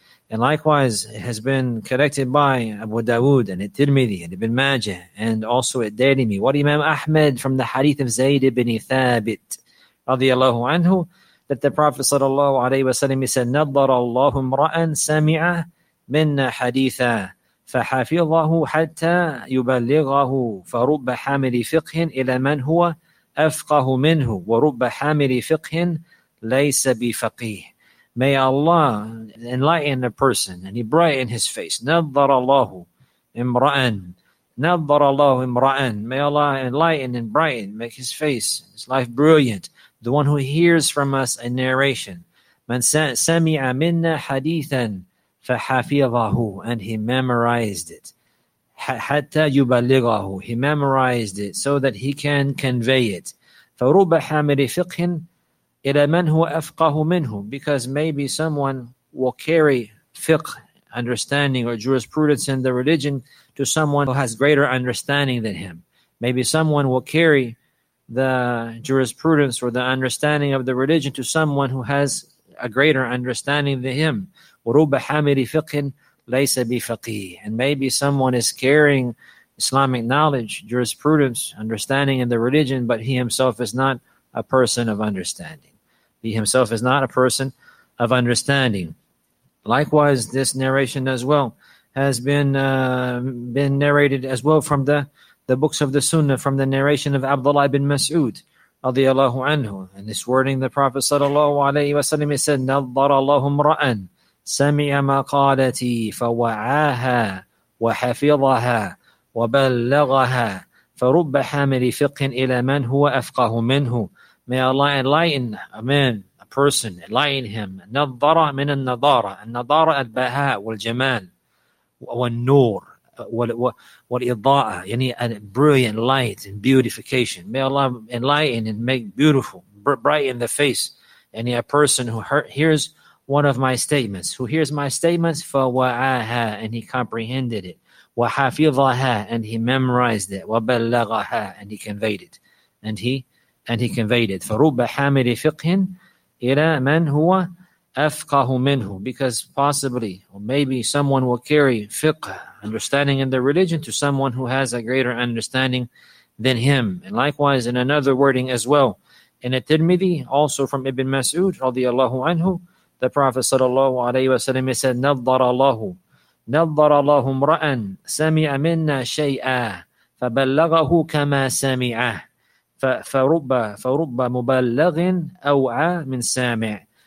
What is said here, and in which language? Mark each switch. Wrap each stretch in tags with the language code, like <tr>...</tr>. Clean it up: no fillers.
<en>And likewise, it has been collected by Abu Dawood and at-Tirmidhi and Ibn Majah and also at-Darimi. What Imam Ahmed from the hadith of Zayd ibn Thabit radiyallahu anhu, that the Prophet sallallahu alayhi wa sallam said,</en> <ar>نَضَّرَ اللَّهُ امْرَأً سَمِعَ مِنَّ حَدِيثًا فَحَفِظَهُ حَتَّى يُبَلِّغَهُ فَرُبَّ حَامِلِ فِقْهٍ إِلَى مَنْ هُوَ أَفْقَهُ مِنْهُ وَرُبَّ حَامِلِ فِقْهٍ لَيْسَ بِفَقِيهٍ.</ar> <en>May Allah enlighten a person and he brighten his face.</en> <ar>نَضَّرَ اللَّهُ امْرَأً نَضَّرَ اللَّهُ امْرَأً.</ar> <en>May Allah enlighten and brighten, make his face, his life brilliant. The one who hears from us a narration.</en> <ar>من سمع منا حديثا فحفظه,</ar> <en>and he memorized it.</en> <ar>حتى يبلغه,</ar> <en>he memorized it so that he can convey it.</en> <ar>فرب حامل فقه إلى من هو أفقه منه,</ar> <en>because maybe someone will carry fiqh, understanding or jurisprudence in the religion to someone who has greater understanding than him. Maybe someone will carry the jurisprudence or the understanding of the religion to someone who has a greater understanding than him.</en> <ar>وَرُبَّ حَامِرِ فِقْهٍ لَيْسَ بِفَقِيهِ.</ar> <en>And maybe someone is carrying Islamic knowledge, jurisprudence, understanding in the religion, but he himself is not a person of understanding. He himself is not a person of understanding. Likewise, this narration as well has been narrated as well from the books of the Sunnah, from the narration of Abdullah ibn Mas'ud radiyallahu anhu. And this wording, the Prophet sallallahu alayhi wa sallam, he said,</en> <ar>نَظَّرَ اللَّهُ امْرَأً سَمِعَ مَقَالَتِي فَوَعَاهَا وَحَفِظَهَا وَبَلَّغَهَا فَرُبَّ حَامِلِ فِقْهٍ إِلَى مَنْ هُوَ أَفْقَهُ مِنْهُ.</ar> <en>May Allah enlighten a man, a person, enlighten him.</en> <ar>نَظَّرَ مِنَ النَّظَارَ. النَّظَارَ أَدْبَهَا وَالْجَمَالِ والنور والإضاءة, يعني</ar> <en>a brilliant light and beautification. May Allah enlighten and make beautiful, brighten the face. يعني a person who hears one of my statements, who hears my statements,</en> <ar>فوعاها,</ar> <en>and he comprehended it.</en> <ar>وحافظها,</ar> <en>and he memorized it.</en> <ar>وبلغها,</ar> <en>and he conveyed it. And he conveyed it.</en> <ar>فرب حامل فقه إلى من هو أفقه منه.</ar> <en>Because possibly, or maybe someone will carry fiqh, understanding in the religion, to someone who has a greater understanding than him. And likewise, in another wording as well, in a Tirmidhi, also from Ibn Mas'ud radiyallahu anhu, the Prophet sallallahu alayhi wa sallam said,</en> <ar>نَظَّرَ اللَّهُ امْرَأً سَمِعَ مِنَّا شَيْئًا فَبَلَّغَهُ كَمَا سَمِعَ فَرُبَّ مُبَلَّغٍ أَوْعَى مِنْ سَامِعٍ.</ar>